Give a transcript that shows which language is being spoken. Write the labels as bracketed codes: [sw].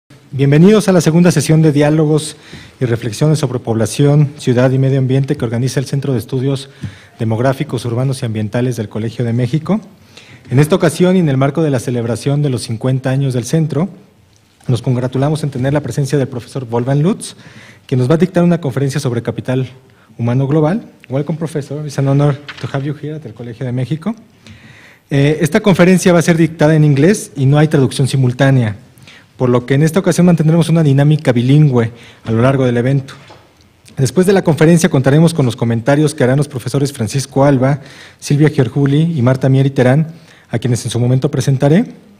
[es] Bienvenidos a la segunda sesión de Diálogos y Reflexiones sobre Población, Ciudad y Medio Ambiente que organiza el Centro de Estudios Demográficos, Urbanos y Ambientales del Colegio de México. En esta ocasión y en el marco de la celebración de los 50 años del centro, nos congratulamos en tener la presencia del profesor Wolfgang Lutz, que nos va a dictar una conferencia sobre capital humano global. [en] Welcome, profesor. It's an honor to have you here at the Colegio de México. [es] Esta conferencia va a ser dictada en inglés y no hay traducción simultánea, por lo que en esta ocasión mantendremos una dinámica bilingüe a lo largo del evento. Después de la conferencia contaremos con los comentarios que harán los profesores Francisco Alba, Silvia Giorguli y Marta Mier y Terán, a quienes en su momento presentaré.